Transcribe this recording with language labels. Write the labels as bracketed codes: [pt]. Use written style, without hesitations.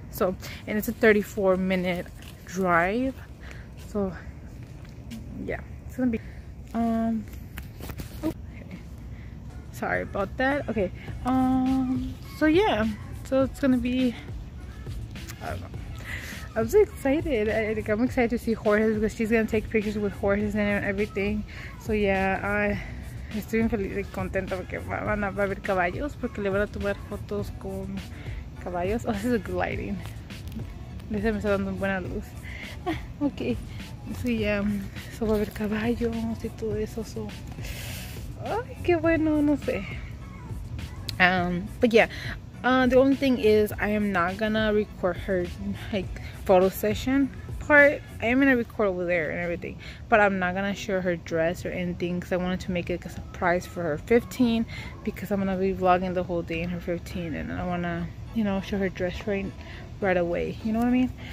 [en] So, and it's a 34 minute drive, so yeah, it's gonna be sorry about that. Okay, so yeah, so it's gonna be, I'm excited to see Jorge because she's gonna take pictures with horses and everything. [es] So yeah, I estoy feliz y contenta porque van a ver caballos porque le van a tomar fotos con caballos. [en] Oh, this is a good lighting. [es] Me está dando buena luz. Okay, so yeah, so va a ver caballos y todo eso. So ay, qué bueno, no sé. [en] But yeah, the only thing is I am not gonna record her like photo session part. I am gonna record over there and everything, but I'm not gonna show her dress or anything because I wanted to make it like a surprise for her 15 because I'm gonna be vlogging the whole day in her 15 and I wanna, you know, show her dress right away, you know what I mean?